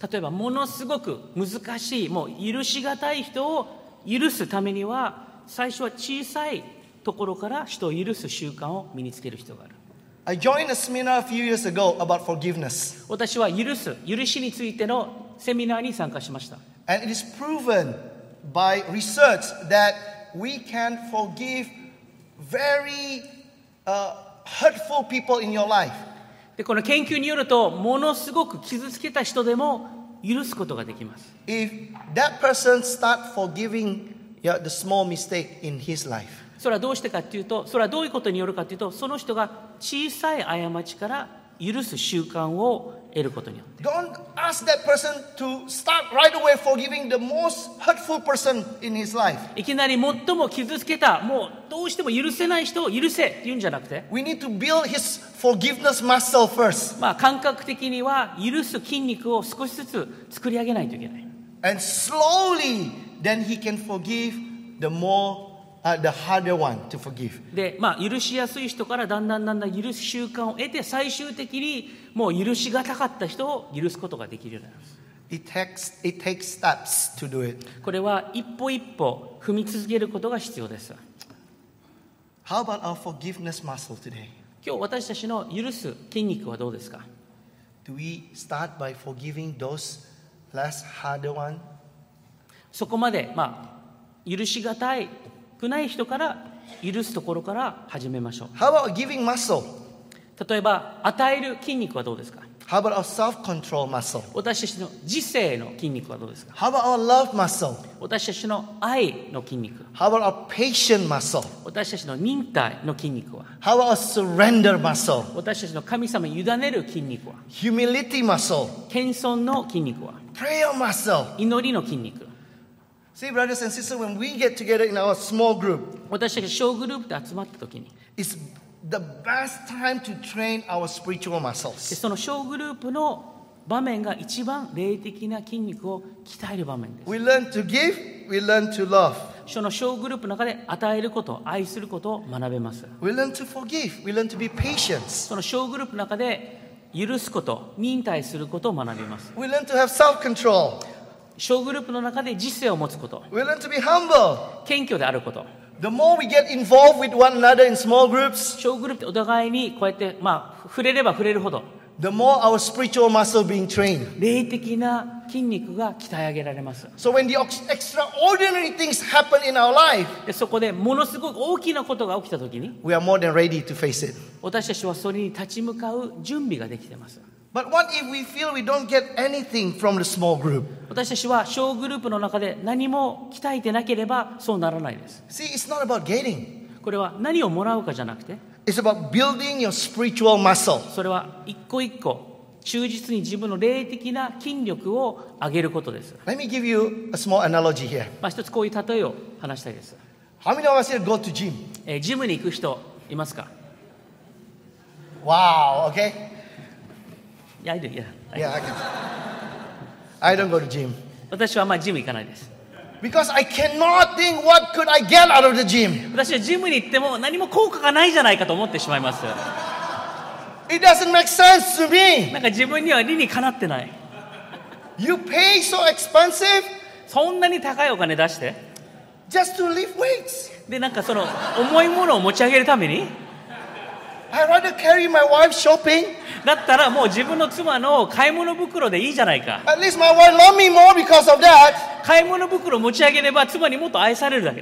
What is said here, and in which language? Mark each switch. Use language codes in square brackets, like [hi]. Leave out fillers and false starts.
[ja] 例えばものすごく難しい、もう許しがたい人を許すためには最初は小さいところから人を許す習慣を身につける必要がある。 [en] I joined a seminar a few years ago about forgiveness. [ja] 私は許す、許しについてのセミナーに参加しました。 [en] And it is proven by research that we can forgive very hurtful people in your life. [ja] で、この研究によると、ものすごく傷つけた人でも許すことができます。 [en] If that person start forgiving the small mistake in his life. [ja] それはどうしてかっていうと、それはどういうことによるかっていうと、その人が小さい過ちから許す習慣を得ることによって。 [en] Don't ask that person to start right away forgiving the most hurtful person in his life. [ja] いきなり最も傷つけた、もうどうしても許せない人を許せって言うんじゃなくて。 [en] We need to build his forgiveness muscle first. [ja] まあ感覚的には許す筋肉を少しずつ作り上げないといけない。 [en] And slowly, then he can forgive the more. The harder one to forgive. [ja] で、まあ、許しやすい人からだんだんだんだん許す習慣を得て、最終的にもう許しがたかった人を許すことができるようになります。 [en] It takes steps to do it. [ja] これは一歩一歩踏み続けることが必要です。 [en] How about our forgiveness muscle today? [ja] 今日私たちの許す筋肉はどうですか? [en] Do we start by forgiving those less harder one? [ja] そこまで、まあ、許しがたい少ない人から許すところから始めましょう。 [en] How about giving muscle? [ja] 例えば与える筋肉はどうですか? [en] How about our self-control muscle? [ja] 私たちの自制の筋肉はどうですか? [en] How about our love muscle? [ja] 私たちの愛の筋肉。 [en] How about our patient muscle? [ja] 私たちの忍耐の筋肉は。 [en] How about our surrender muscle? [ja] 私たちの神様に委ねる筋肉は。 [en] Humility muscle. [ja] 謙遜の筋肉は。 [en] Prayer muscle. [ja] 祈りの筋肉。 [en] See, brothers and sisters, when we get together in our small group, [ja] 私たちが小グループで集まった時に、 [en] it's the best time to train our spiritual muscles. [ja] その小グループの場面が一番霊的な筋肉を鍛える場面です。 [en] We learn to give, we learn to love. [ja] その小グループの中で与えること、愛することを学べます。 [en] We learn to forgive, we learn to be patient. [ja] その小グループの中で許すこと、忍耐することを学びます。 [en] We learn to have self-control. [ja] 小グループの中で自制を持つこと。 [en] We learn to be humble. [ja] 謙虚であること。 [en] The more we get involved with one another in small groups, [ja] 小グループでお互いにこうやって、まあ、触れれば触れるほど、 [en] The more our spiritual muscle being trained. [ja] 霊的な筋肉が鍛え上げられます。 [en] So when the extraordinary things happen in our life, [ja] でそこでものすごく大きなことが起きたときに、 [en] We are more than ready to face it. [ja] 私たちはそれに立ち向かう準備ができています。 [en] But what if we feel we don't get anything from the small group? [ja] 私たちは小グループの中で何も鍛えてなければそうならないです。 [en] See, it's not about getting. [ja] これは何をもらうかじゃなくて、 [en] it's about building your spiritual muscle. [ja] それは一個一個忠実に自分の霊的な筋力を上げることです。 [en] Let me give you a small analogy here. [ja] まあ一つこういう例えを話したいです。 [en] How many of us here go to gym? [ja] ジムに行く人いますか? [en] Wow, okay. Yeah, I do. Yeah, I don't go to gym. [ja] 私はあんまりジム行かないです。 [en] Because I cannot think what could I get out of the gym. [ja] 私はジムに行っても何も効果がないじゃないかと思ってしまいます。 [en] It doesn't make sense to me. [ja] なんか自分には理にかなってない。 [en] You pay so expensive. [ja] そんなに高いお金出して。 [en] Just to lift weights. [ja] で、なんかその重いものを持ち上げるために。 [en] I'd rather carry my wife shopping. [ja] だったらもう自分の妻の買い物袋でいいじゃないか。 [en] At least my wife loves me more because of that. [ja] 買い物袋持ち上げれば妻にもっと愛されるだけ。